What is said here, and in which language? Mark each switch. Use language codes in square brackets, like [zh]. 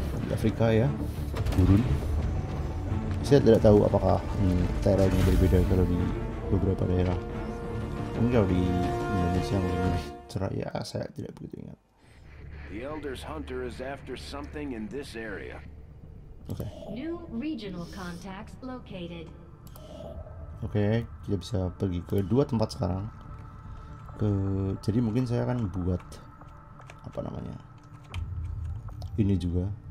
[id] Afrika ya, gurun. Saya tidak tahu apakah terrainnya berbeda kalau di beberapa daerah. Mungkin kalau di Indonesia mungkin lebih cerah ya, saya tidak begitu ingat. [en] The Elder's Hunter is after something in this area. Okay. New regional contacts located. [id] Oke, kita bisa pergi ke dua tempat sekarang. Jadi mungkin saya akan buat apa namanya ini juga.